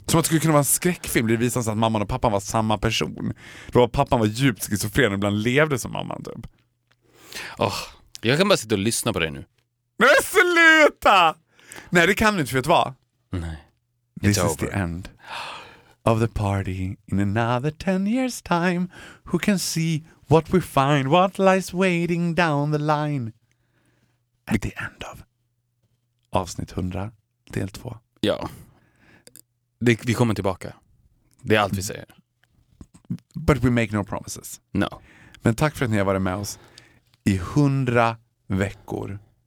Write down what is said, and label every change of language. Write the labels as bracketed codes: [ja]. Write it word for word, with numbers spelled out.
[sv] Som att det skulle kunna vara en skräckfilm. Det visade sig att mamman och pappan var samma person. Det var pappan var djupt schizofren och ibland levde som mamman typ. Oh, jag kan bara sitta och lyssna på dig nu. Men sluta! Nej, det kan du inte, för att vara. Nej. [en] This is the end of the party. In another ten years time, who can see what we find, what lies waiting down the line. At the end of [sv] avsnitt hundra, del två. Ja. Det, vi kommer tillbaka. Det är allt vi säger. [en] But we make no promises. No. [sv] Men tack för att ni har varit med oss i hundra veckor.